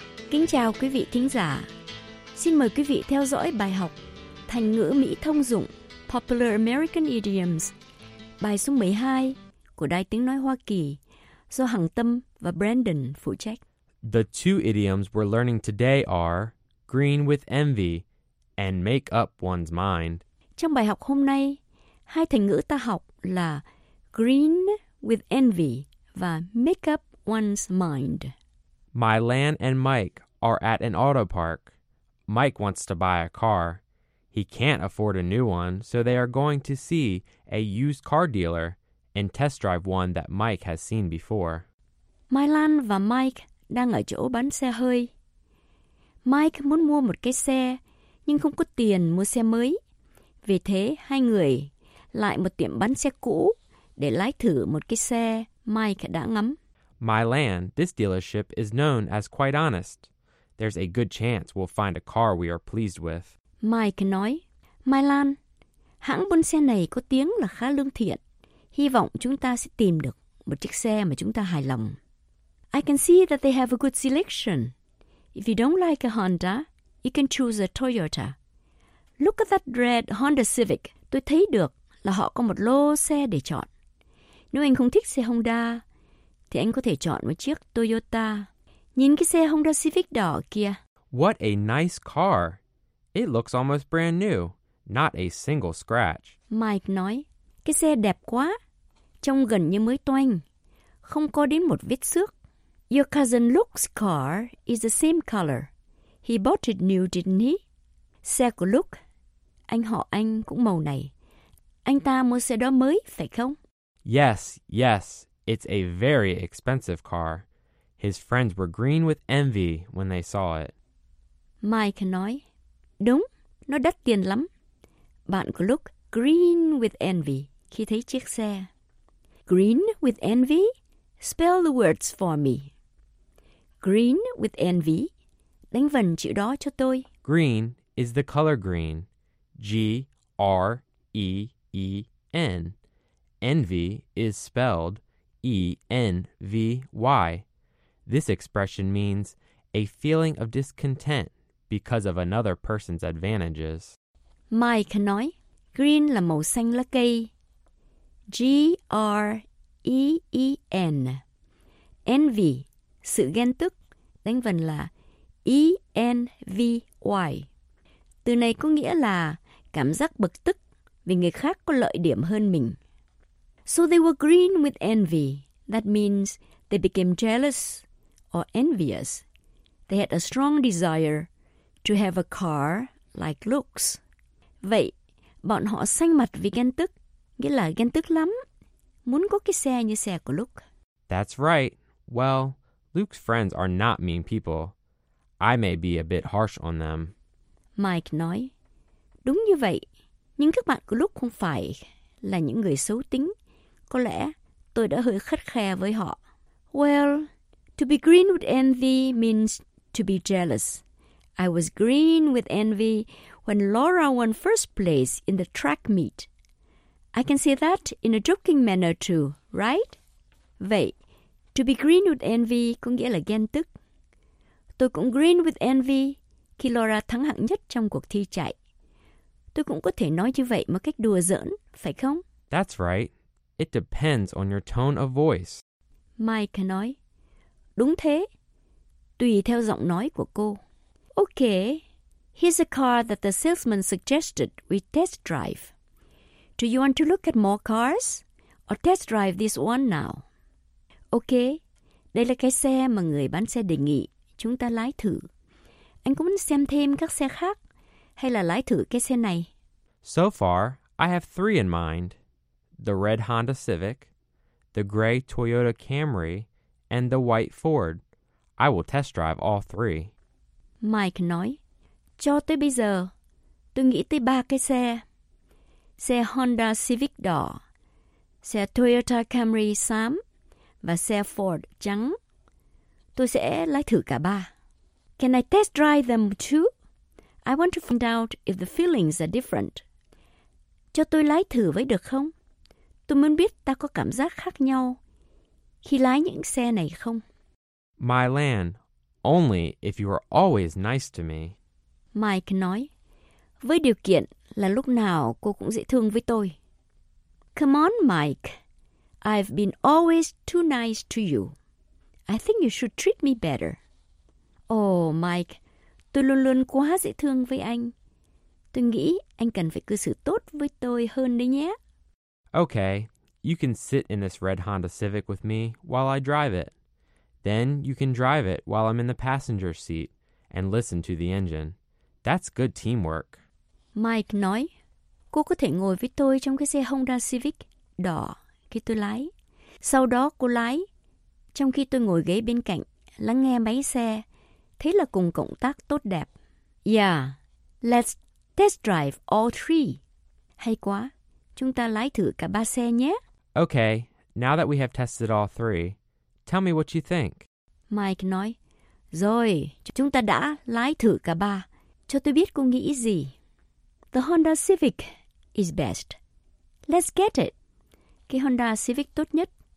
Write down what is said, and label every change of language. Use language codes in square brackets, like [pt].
[vi] Kính chào quý vị thính giả. Xin mời quý vị theo dõi bài học thành ngữ Mỹ thông dụng [en] Popular American Idioms, [vi] bài số 12 của Đài Tiếng Nói Hoa Kỳ, do Hằng Tâm và Brandon phụ trách. [en] The two idioms we're learning today are green with envy and make up one's mind. [vi] Trong bài học hôm nay, hai thành ngữ ta học là [en] green with envy [vi] và [en] make up one's mind. My Lan and Mike are at an auto park. Mike wants to buy a car. He can't afford a new one, so they are going to see a used car dealer and test drive one that Mike has seen before. [vi] My Lan và Mike đang ở chỗ bán xe hơi. Mike muốn mua một cái xe, nhưng không có tiền mua xe mới. Vì thế, hai người lại một tiệm bán xe cũ để lái thử một cái xe Mike đã ngắm. [en] My Lan, this dealership is known as quite honest. There's a good chance we'll find a car we are pleased with. [vi] Mike nói, My Lan, hãng buôn xe này có tiếng là khá lương thiện. Hy vọng chúng ta sẽ tìm được một chiếc xe mà chúng ta hài lòng. [en] I can see that they have a good selection. If you don't like a Honda, you can choose a Toyota. Look at that red Honda Civic. [vi] Tôi thấy được là họ có một lô xe để chọn. Nếu anh không thích xe Honda, thì anh có thể chọn một chiếc Toyota. Nhìn cái xe Honda Civic đỏ kia. [en] What a nice car. It looks almost brand new. Not a single scratch. [vi] Mike nói, cái xe đẹp quá. Trông gần như mới toanh. Không có đến một vết xước. [en] Your cousin Luke's car is the same color. He bought it new, didn't he? [vi] Xe của Luke, anh họ anh cũng màu này. Anh ta mua xe đó mới, phải không? [en] Yes, yes. It's a very expensive car. His friends were green with envy when they saw it. [vi] Mike nói, đúng, nó đắt tiền lắm. Bạn của Luke [en] green with envy [vi] khi thấy chiếc xe. [en] Green with envy? Spell the words for me. Green with envy. [vi] Đánh vần chữ đó cho tôi. [en] Green is the color green. G-R-E-E-N. Envy is spelled E-N-V-Y. This expression means a feeling of discontent because of another person's advantages. [vi] Mike nói, green là màu xanh lá cây. G-R-E-E-N. Envy, sự ghen tức, đánh vần là E-N-V-Y. Từ này có nghĩa là cảm giác bực tức vì người khác có lợi điểm hơn mình. [en] So they were green with envy. That means they became jealous or envious. They had a strong desire to have a car like Luke's. [vi] Vậy, bọn họ xanh mặt vì ghen tức, nghĩa là ghen tức lắm, muốn có cái xe như xe của Luke. [en] That's right. Well, Luke's friends are not mean people. I may be a bit harsh on them. [vi] Mike nói, đúng như vậy, nhưng các bạn của Luke không phải là những người xấu tính. Có lẽ tôi đã hơi khắt khe với họ. [en] Well, to be green with envy means to be jealous. I was green with envy when Laura won first place in the track meet. I can say that in a joking manner too, right? [vi] Vậy, [en] to be green with envy [vi] có nghĩa là ghen tức. Tôi cũng [en] green with envy [vi] khi Laura thắng hạng nhất trong cuộc thi chạy. Tôi cũng có thể nói như vậy một cách đùa giỡn, phải không? [en] That's right. It depends on your tone of voice. [vi] Mike nói, đúng thế, tùy theo giọng nói của cô. [en] Okay, here's a car that the salesman suggested we test drive. Do you want to look at more cars or test drive this one now? [vi] Okay, đây là cái xe mà người bán xe đề nghị chúng ta lái thử. Anh có muốn xem thêm các xe khác hay là lái thử cái xe này? [en] So far, I have three in mind. The red Honda Civic, the gray Toyota Camry, and the white Ford. I will test drive all three. [vi] Mike nói, cho tới bây giờ, tôi nghĩ tới ba cái xe. Xe Honda Civic đỏ, xe Toyota Camry xám, và xe Ford trắng. Tôi sẽ lái thử cả ba. [en] Can I test drive them too? I want to find out if the feelings are different. [vi] Cho tôi lái thử với được không? Tôi muốn biết ta có cảm giác khác nhau khi lái những xe này không. [en] My Lan, only if you are always nice to me. [vi] Mike nói, với điều kiện là lúc nào cô cũng dễ thương với tôi. [en] Come on, Mike. I've been always too nice to you. I think you should treat me better. [vi] Oh, Mike, tôi luôn luôn quá dễ thương với anh. Tôi nghĩ anh cần phải cư xử tốt với tôi hơn đấy nhé. [en] Okay, you can sit in this red Honda Civic with me while I drive it. Then you can drive it while I'm in the passenger seat and listen to the engine. That's good teamwork. [vi] Mike nói, cô có thể ngồi với tôi trong cái xe Honda Civic đỏ khi tôi lái. Sau đó cô lái, trong khi tôi ngồi ghế bên cạnh, lắng nghe máy xe. Thế là cùng cộng tác tốt đẹp. [en] Yeah, let's test drive all three. [vi] Hay quá, chúng ta lái thử cả ba xe nhé. [en] Okay, now that we have tested all three, tell me what you think. [vi] Mike nói, rồi, chúng ta đã lái thử cả ba. Cho tôi biết cô nghĩ gì. [en] The Honda Civic is best. Let's get it. [vi] Cái Honda Civic tốt nhất.